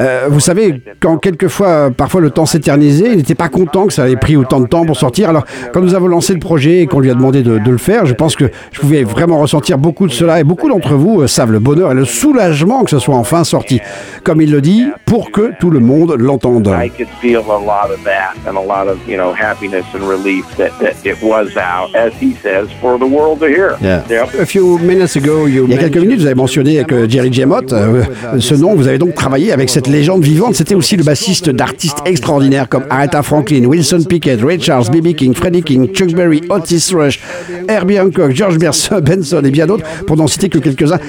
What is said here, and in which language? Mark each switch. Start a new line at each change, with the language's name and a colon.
French: Vous savez, quand quelquefois, parfois le temps s'éternisait, il n'était pas content que ça ait pris autant de temps pour sortir. Alors, quand nous avons lancé le projet et qu'on lui a demandé de le faire, je pense que je pouvais vraiment ressentir beaucoup de cela. Et beaucoup d'entre vous savent le bonheur et le soulagement que ce soit enfin sorti. Comme il le dit, pour que tout le monde l'entende.
English: I could feel a lot of that and a lot of, you know, happiness and relief that it was out, as he says, for the world to hear. Yeah. A few minutes ago,
French: il y a quelques minutes, vous avez mentionné que Jerry Jamot, ce nom, vous avez donc travaillé avec cette légende vivante. C'était aussi le bassiste d'artistes extraordinaires comme Aretha Franklin, Wilson Pickett, Ray Charles, B.B. King, Freddie King, Chuck Berry, Otis Rush, Herbie Hancock, George Benson et bien d'autres, pour n'en citer que quelques-uns.